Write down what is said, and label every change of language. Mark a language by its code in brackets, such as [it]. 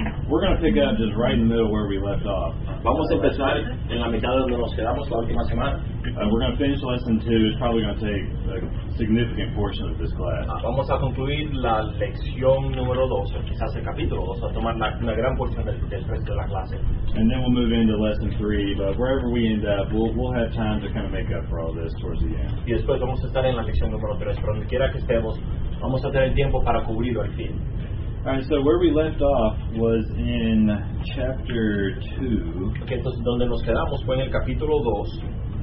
[en] We're going to pick up just right in the middle where we left off. [es] Vamos a empezar en la mitad de donde nos quedamos la última semana. [en] We're going to finish lesson two. It's probably going to take a significant portion of this class. [es] Vamos a concluir la lección número dos, quizás el capítulo dos, a tomar una gran porción del resto de la clase. [en] And then we'll move into lesson three, but wherever we end up, we'll have time to kind of make up for all this towards the end. [es] Y después vamos a estar en la lección número tres, pero donde quiera que estemos, vamos a tener tiempo para cubrirlo al fin. [en] All right, so where we left off was in chapter 2. [es] Okay, entonces donde nos quedamos fue en el capítulo 2.